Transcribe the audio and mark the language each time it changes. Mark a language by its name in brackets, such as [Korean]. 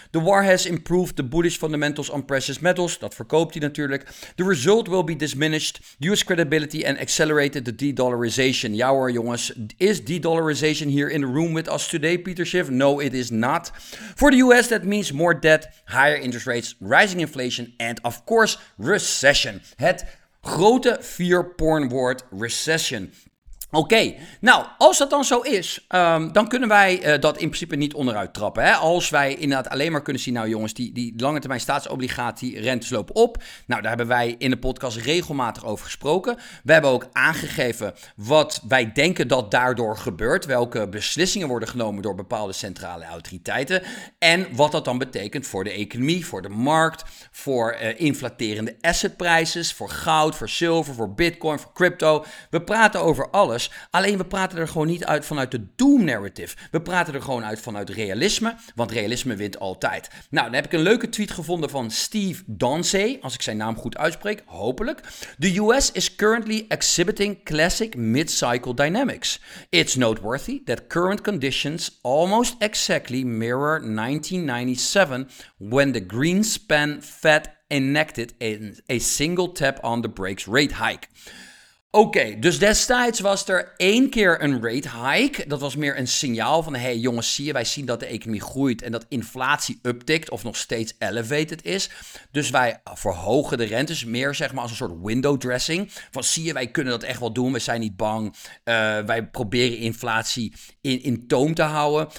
[English] The war has improved the bullish fundamentals on precious metals, [Dutch] dat verkoopt hij natuurlijk. [English] The result will be diminished, US credibility and accelerated the de-dollarization. Ja hoor jongens, is de-dollarization here in the room with us today, Peter Schiff? No, it is not. For the US, that means more debt, higher interest rates rates, rising inflation and of course recession. [Dutch] Het grote vier pornwoord recession. Oké, nou, als dat dan zo is, dan kunnen wij dat in principe niet onderuit trappen. Hè? Als wij inderdaad alleen maar kunnen zien, nou jongens, die lange termijn staatsobligatierentes lopen op. Nou, daar hebben wij in de podcast regelmatig over gesproken. We hebben ook aangegeven wat wij denken dat daardoor gebeurt. Welke beslissingen worden genomen door bepaalde centrale autoriteiten. En wat dat dan betekent voor de economie, voor de markt, voor inflaterende assetprijzen, voor goud, voor zilver, voor bitcoin, voor crypto. We praten over alles. Alleen we praten er gewoon niet uit vanuit de doom narrative. We praten er gewoon uit vanuit realisme, want realisme wint altijd. Nou, dan heb ik een leuke tweet gevonden van Steve Donsey, als ik zijn naam goed uitspreek, hopelijk. [English] The US is currently exhibiting classic mid-cycle dynamics. It's noteworthy that current conditions almost exactly mirror 1997 when the Greenspan Fed enacted a single tap on the brakes rate hike. [Dutch] Oké, dus destijds was er één keer een rate hike. Dat was meer een signaal van, hey jongens, zie je, wij zien dat de economie groeit en dat inflatie uptikt of nog steeds elevated is. Dus wij verhogen de rentes meer, zeg maar, als een soort window dressing. Van, zie je, wij kunnen dat echt wel doen, we zijn niet bang. Wij proberen inflatie in toom te houden.